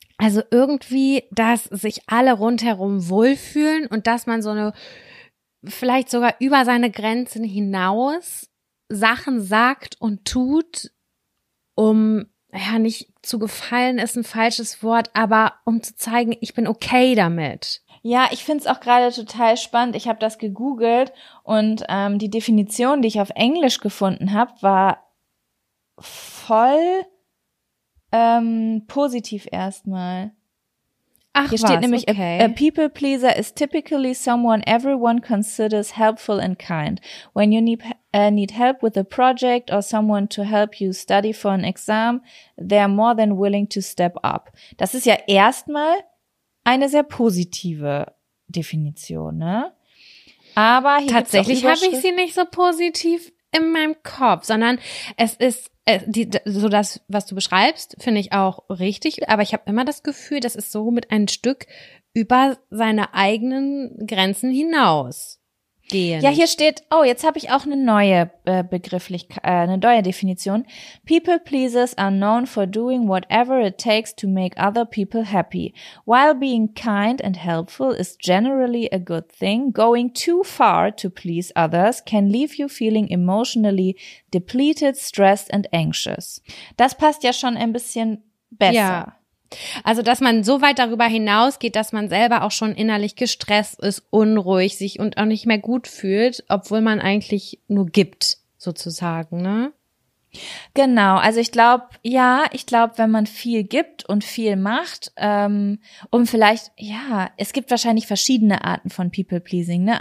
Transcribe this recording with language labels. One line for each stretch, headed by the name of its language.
German: Also irgendwie, dass sich alle rundherum wohlfühlen und dass man so eine, vielleicht sogar über seine Grenzen hinaus Sachen sagt und tut, um, ja, nicht zu gefallen ist ein falsches Wort, aber um zu zeigen, ich bin okay damit. Ja, ich finde es auch gerade total spannend. Ich habe das gegoogelt und die Definition, die ich auf Englisch gefunden habe, war voll positiv erstmal. Ach, hier was? Steht nämlich, okay.
English: A people pleaser is typically someone everyone considers helpful and kind. When you need help with a project or someone to help you study for an exam, they're more than willing to step up.
German: Das ist ja erstmal eine sehr positive Definition, ne? Aber hier tatsächlich habe ich sie nicht so positiv in meinem Kopf, sondern es ist so, das, was du beschreibst, finde ich auch richtig. Aber ich habe immer das Gefühl, das ist so mit ein Stück über seine eigenen Grenzen hinaus gehen. Ja, hier steht, oh, jetzt habe ich auch eine neue Begrifflichkeit, eine neue Definition.
English: People pleasers are known for doing whatever it takes to make other people happy. While being kind and helpful is generally a good thing, going too far to please others can leave you feeling emotionally depleted, stressed and anxious.
German: Das passt ja schon ein bisschen besser. Ja. Also, dass man so weit darüber hinausgeht, dass man selber auch schon innerlich gestresst ist, unruhig sich und auch nicht mehr gut fühlt, obwohl man eigentlich nur gibt, sozusagen, ne? Genau, also ich glaube, wenn man viel gibt und viel macht, es gibt wahrscheinlich verschiedene Arten von People-Pleasing, ne?